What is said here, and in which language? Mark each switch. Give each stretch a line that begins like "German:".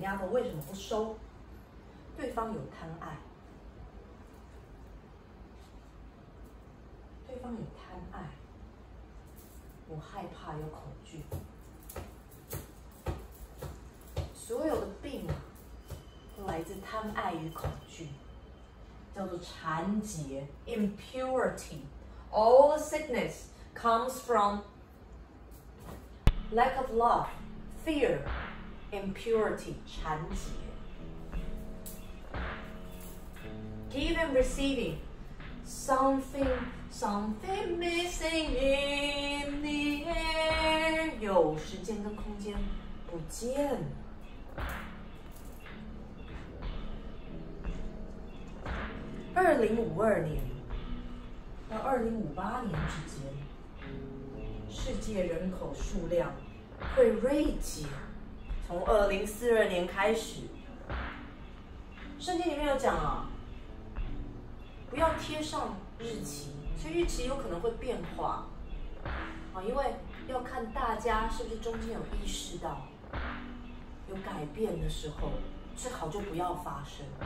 Chinese: 丫头为什么不收？对方有贪爱，对方有贪爱，我害怕有恐惧，所有的病啊，都来自贪爱与恐惧。叫做缠结
English: impurity， all the sickness comes from lack of love， fear， impurity，
Chinese: 缠结。
English: Giving and receiving， something missing in the air，
Chinese: 有时间跟空间不见了。 2052年到2058年之间，世界人口数量会锐减。从2042年开始，圣经里面有讲啊，不要贴上日期，所以日期有可能会变化啊，因为要看大家是不是中间有意识到有改变的时候，最好就不要发生。